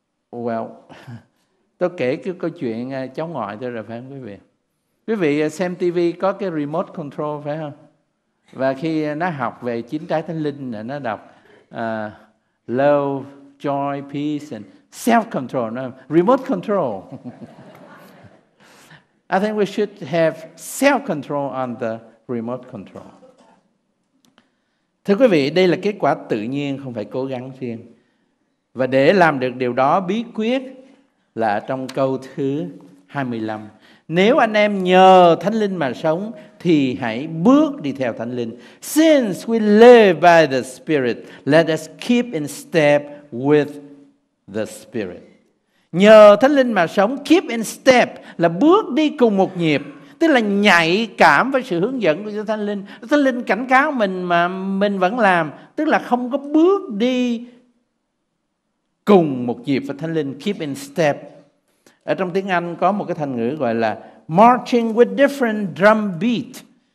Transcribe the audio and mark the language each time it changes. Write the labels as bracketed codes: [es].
[vi] Well, tôi kể cái câu chuyện cháu ngoại tôi rồi phải không quý vị? Quý vị xem TV có cái remote control phải không? Và khi nó học về chín trái thánh linh, nó đọc [en] love, joy, peace and self-control, no, remote control. I think we should have self-control on the remote control. [vi] Thưa quý vị, đây là kết quả tự nhiên, không phải cố gắng riêng. Và để làm được điều đó, bí quyết là trong câu thứ 25. Nếu anh em nhờ Thánh Linh mà sống, thì hãy bước đi theo Thánh Linh. [en] Since we live by the Spirit, let us keep in step with the Spirit. [vi] Nhờ Thánh Linh mà sống, [en] keep in step [vi] là bước đi cùng một nhịp. Tức là nhạy cảm với sự hướng dẫn của Thánh Linh. Thánh Linh cảnh cáo mình mà mình vẫn làm. Tức là không có bước đi cùng một nhịp với Thánh Linh. Keep in step. Ở trong tiếng Anh có một cái thành ngữ gọi là [en] marching with different drum beat.